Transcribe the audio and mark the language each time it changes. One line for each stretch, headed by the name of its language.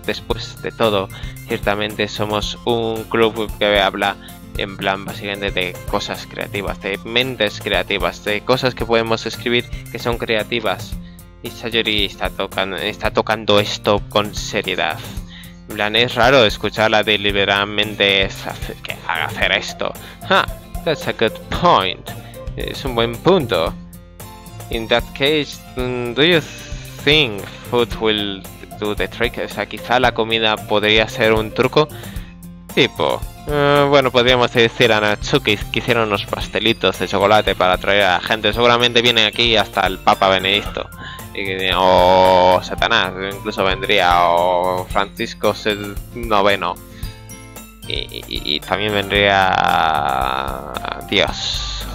Spanish: Después de todo, ciertamente somos un club que habla en plan básicamente de cosas creativas, de mentes creativas, de cosas que podemos escribir que son creativas. Y Sayori está tocando esto con seriedad. plan, es raro escucharla deliberadamente hacer que haga hacer esto.
English: Ah, that's a good point.
Spanish: Es un buen punto.
English: In that case, do you think food will do the trick?
Spanish: O sea, quizá la comida podría ser un truco. Tipo, bueno, podríamos decir a Natsuki que hicieron unos pastelitos de chocolate para atraer a la gente. Seguramente viene aquí hasta el Papa Benedicto. O Satanás, incluso vendría. O Francisco IX. Y también vendría Dios.